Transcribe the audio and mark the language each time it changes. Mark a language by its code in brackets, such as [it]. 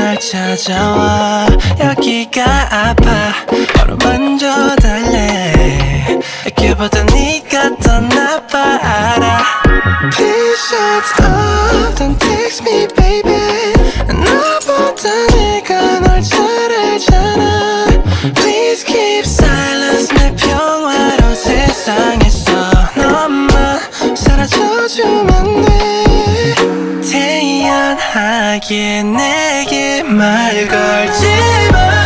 [ko] 찾아와 여기가 아파 바로 만져달래. 걔보다 네가 더 나빠 알아. [en] Please shut up, don't text me baby. [ko] 나보다 네가 널 잘 알잖아. [en] Please keep silence, [ko] 내 평화로운 세상에서 너만 사라져주면 돼. 태연하게 내게 말 걸지 마.